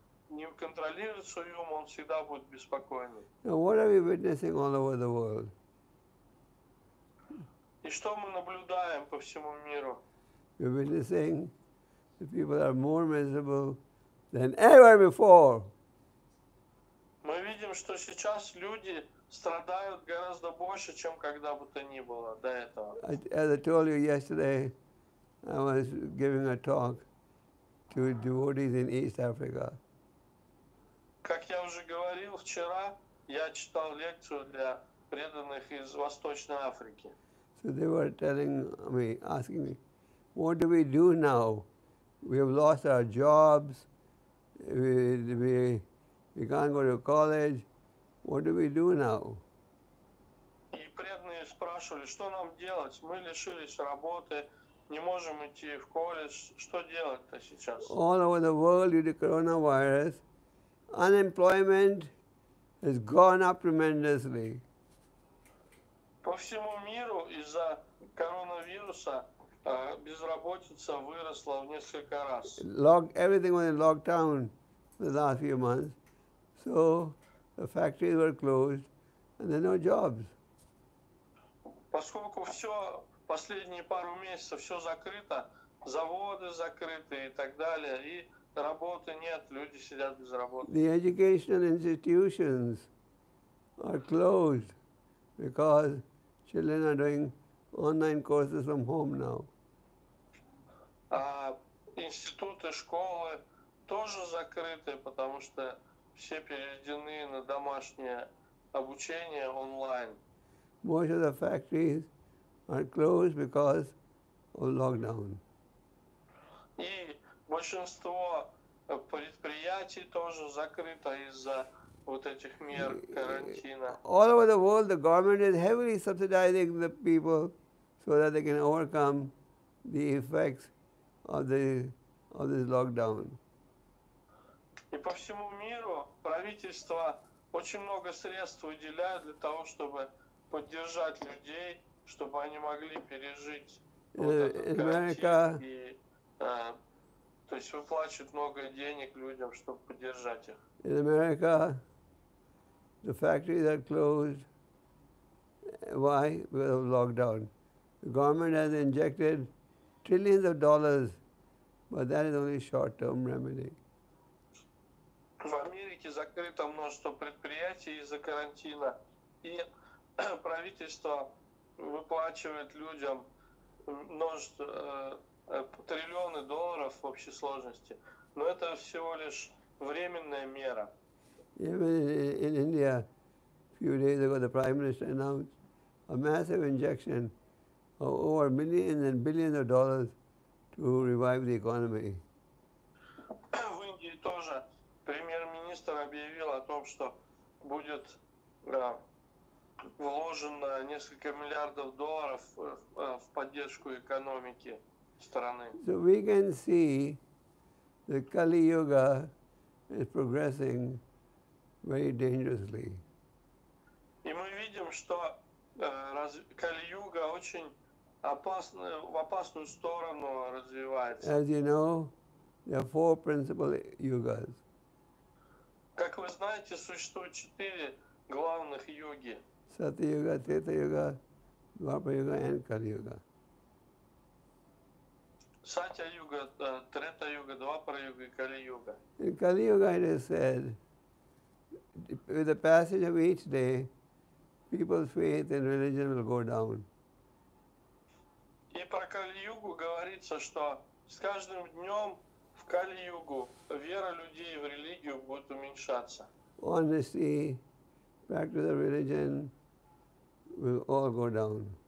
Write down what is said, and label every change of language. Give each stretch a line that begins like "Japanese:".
Russian: Не контролирует свой ум, он всегда будет беспокойный.
English: Now, what are we witnessing all over the world?
Russian: И что мы наблюдаем по всему миру?
English: We're witnessing that people are more miserable than ever before.
Russian: Мы видим, что сейчас люди страдают гораздо больше, чем когда бы то ни было до этого.
English: As I told you yesterday, I was giving a talk to devotees in East Africa.
Russian: Как я уже говорил вчера, я читал лекцию для преданных из Восточной Африки.
English: So they were telling me, asking me, what do we do now? We have lost our jobs, we can't go to college, what do we do now?
Russian: И преданные спрашивали, что нам делать? Мы лишились работы, не можем идти в колледж, что делать-то сейчас?
English: All over the world due to coronavirus, unemployment has gone up tremendously.
Russian: По всему миру из-за коронавируса безработица выросла в несколько раз.
English: Everything was in lockdown the last few months, so the factories were closed and there were no jobs.
Russian: Поскольку все последние пару месяцев все закрыто, заводы закрыты и так далее, и работы нет, люди сидят без работы.
English: The educational institutions are closed because children are doing online courses from home now.
Russian: Институты, школы тоже закрыты, потому что все переведены на домашнее обучение онлайн.
English: Most of the factories are closed because of lockdown.
Russian: И большинство предприятий тоже закрыто из-за вот этих мер карантина.
English: All over the world, the government is heavily subsidizing the people so that they can overcome the effects of this lockdown.
Russian: И по всему миру правительства очень много средств выделяют для того, чтобы поддержать людей, чтобы они могли пережить вот этот карантин. То есть выплачивают много денег людям, чтобы поддержать их.
English: In America, the factories are closed. Why? Because of lockdown. The government has injected trillions of dollars, but that is only short-term remedy.
Russian: В Америке закрыто множество предприятий из-за карантина, и правительство выплачивает людям множество триллионы долларов в общей сложности. Но это всего лишь временная мера.
English: Even in India, a few days ago, the Prime Minister announced a massive injection of over millions and billions of dollars to revive the economy.
Russian: В Индии тоже премьер-министр объявил о том, что будет вложено несколько миллиардов долларов в поддержку экономики страны.
English: So we can see that Kali Yuga is progressing very dangerously.
Russian: И мы видим, что Кали-Юга очень в опасную сторону развивается.
English: As you know, there are four principal yugas.
Russian: Как вы знаете, существует четыре главных юги. Сати-юга, Трета-юга, Двапа-юга и Кали-юга. Сати-юга, Трета-юга, Двапа-юга и Кали-юга.
English: In Kali-Yuga, it is said, with the passage of each day, people's faith in religion will go down.
Russian: И про Кали-Югу говорится, что с каждым днем в Кали-Югу вера людей в религию будет уменьшаться.
English: Honesty, practice of religion will all go down.